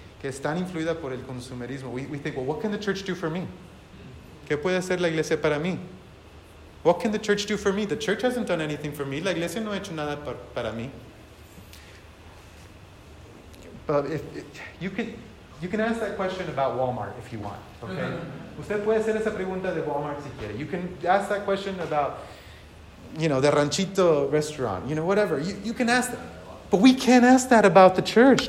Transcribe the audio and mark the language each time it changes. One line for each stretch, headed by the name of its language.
Spanish: Que es tan influida por el consumerismo.
English: We think, well, what can the church do for me?
Spanish: ¿Qué puede hacer la iglesia para mí?
English: What can the church do for me? The church hasn't done anything for me.
Spanish: La iglesia no ha hecho nada para mí.
English: But you can ask that question about Walmart if you want, okay?
Spanish: Usted puede hacer esa pregunta de Walmart si quiere.
English: You can ask that question about, you know, the Ranchito restaurant. You know, whatever. You can ask that. But we can't ask that about the church.